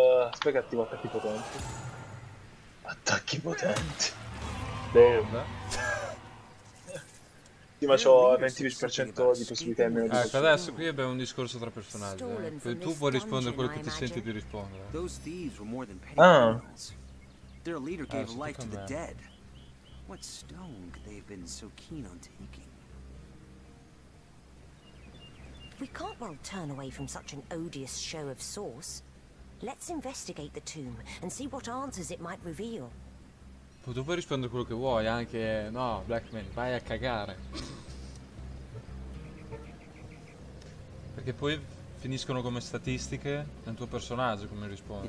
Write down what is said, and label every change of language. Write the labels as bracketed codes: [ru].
[it] Aspetta che attivo attacchi potenti. Attacchi potenti. Damn. Sì, ma c'ho 20% di possibilità in meno di ecco, adesso qui abbiamo un discorso tra personaggi. Tu puoi rispondere quello che ti senti di rispondere. Ah. [en] Their leader gave life to the dead. What stone could they have been so keen on taking? We can't well turn away from such an odious show of source. Let's investigate the tomb and see what answers it might reveal. [it] Tu puoi rispondere quello che vuoi, anche no, Blackman, vai a cagare. Perché poi finiscono come statistiche nel tuo personaggio come rispondi.